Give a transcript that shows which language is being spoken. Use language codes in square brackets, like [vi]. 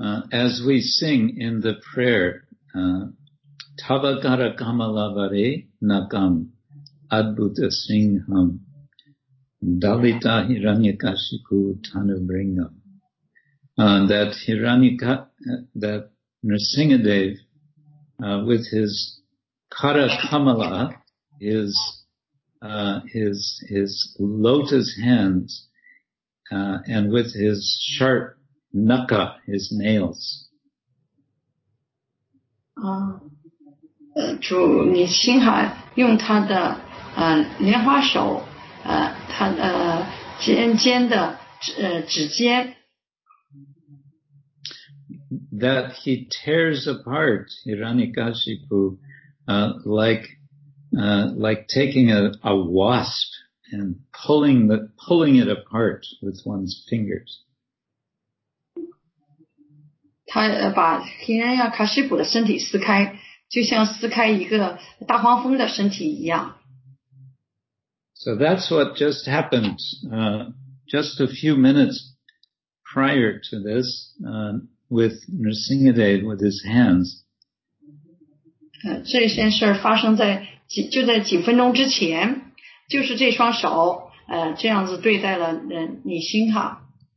[en] As we sing in the prayer, [sa] Tavakara Kamalavare Nakam Adbhuta Singham Dalita Hiranyakashipu Tanubringam, [en] that Nrisimhadev, with his Kara Kamala, his lotus hands, and with his sharp nukka, his nails. [zh] 主你心海用他的莲花手他的尖尖的指尖。 [en] That he tears apart Hiranyakashipu, like taking a wasp and pulling it apart with one's fingers. [zh] 他把 Hiranyakashipu 的身体撕开，就像撕开一个大黄蜂的身体一样。 [en] So that's what just happened, just a few minutes prior to this, with Nrsingadev with his hands. [zh] 这件事发生在就在几分钟之前，就是这双手，这样子对待了你心哈。